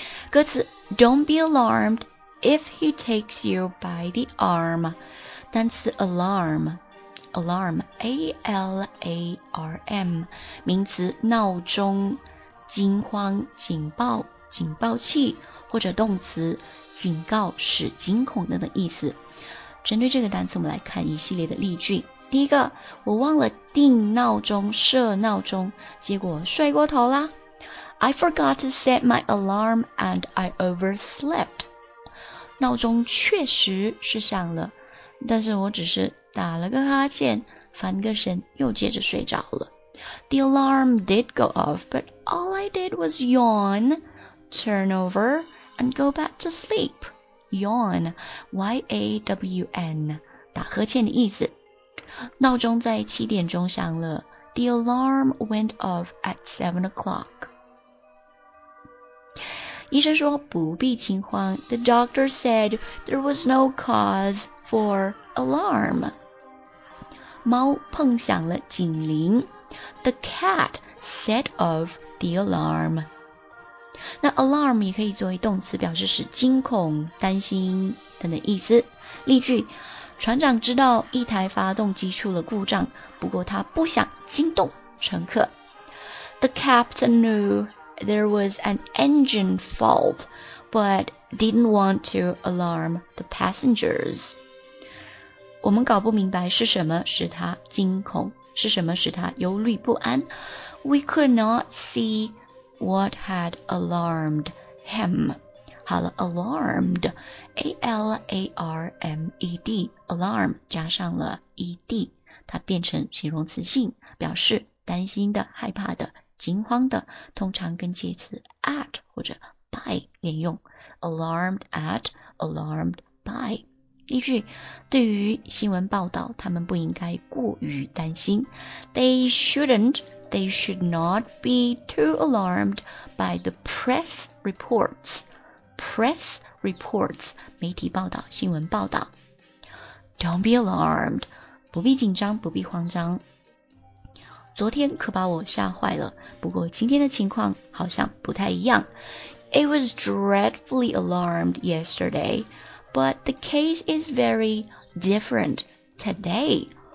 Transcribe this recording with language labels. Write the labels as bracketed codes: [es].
[zh] 歌词 [en] Don't be alarmed if he takes you by the arm， [zh] 单词 alarm A-L-A-R-M 名词，闹钟，惊慌，警报，警报器，或者动词，警告，使惊恐的意思。针对这个单词，我们来看一系列的例句。第一个，我忘了定闹钟，设闹钟，结果睡过头啦。 [en] I forgot to set my alarm and I overslept. [zh] 闹钟确实是响了，但是我只是打了个哈欠，翻个身，又接着睡着了。 [en] The alarm did go off, but all I did was yawn, turn over, and go back to sleep. [zh] Yawn, Y-A-W-N, 打呵欠的意思。闹钟在七点钟响了。 [en] The alarm went off at 7 o'clock. [zh] 医生说不必惊慌。 [en] The doctor said there was no cause for alarm. [zh] 猫碰响了警铃。 [en] The cat set off the alarm. [zh] 那 alarm 也可以作为动词，表示使惊恐、担心等等意思。例句，船长知道一台发动机出了故障，不过他不想惊动乘客。 [en] The captain knew there was an engine fault, but didn't want to alarm the passengers. [zh] 我们搞不明白是什么使他惊恐，是什么使他忧虑不安。 [en] We could not see... What had alarmed him? [zh] 好了 ,alarmed, A-L-A-R-M-E-D, alarm 加上了 E-D, 它变成形容词性，表示担心的、害怕的、惊慌的，通常跟介词 at 或者 by 连用。 [en] Alarmed at, alarmed by. [zh] 例句，对于新闻报道，他们不应该过于担心。 [en] They should not be too alarmed by the press reports. [zh] Press reports, 媒体报道，新闻报道。 [en] Don't be alarmed, [zh] 不必紧张，不必慌张。昨天可把我吓坏了，不过今天的情况好像不太一样。 [en] I was dreadfully alarmed yesterday, but the case is very different today.